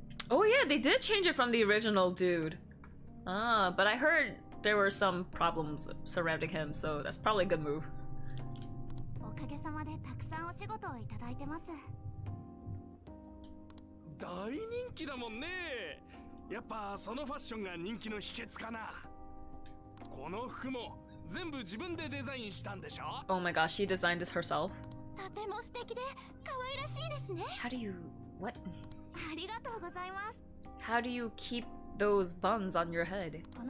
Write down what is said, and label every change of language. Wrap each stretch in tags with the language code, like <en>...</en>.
<en>Oh yeah, they did change it from the original dude. Ah, but I heard there were some problems surrounding him, so that's probably a good move.</en> <ja>おかげさまでたくさんお仕事をいただいてます。大人気だもんね。やっぱその</ja> <en>Oh my gosh, she designed this herself.</en> <ja>とても素敵で可愛らしいですね。</ja> <en>How do you what?</en> <ja>ありがとうございます。</ja> <en>How do you keep those buns on your head?</en>